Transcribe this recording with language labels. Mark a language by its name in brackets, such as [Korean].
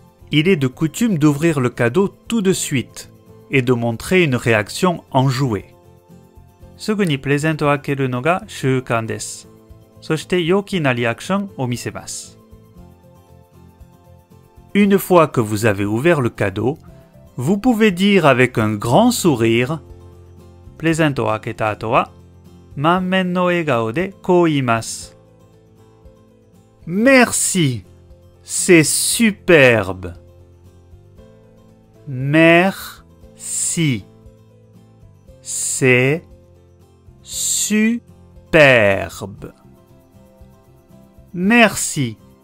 [French] Il est de coutume d'ouvrir le cadeau tout de suite et de montrer une réaction enjouée. [Japanese] すぐにプレゼントを開けるのが習慣です。そして陽気なリアクションを見せます。 [French] une fois que vous avez ouvert le cadeau, vous pouvez dire avec un grand sourire [Japanese] プレゼントを開けた後は満面の笑顔でこう言います。 [French] Merci! C'est superbe! Merci! C'est superbe! Merci!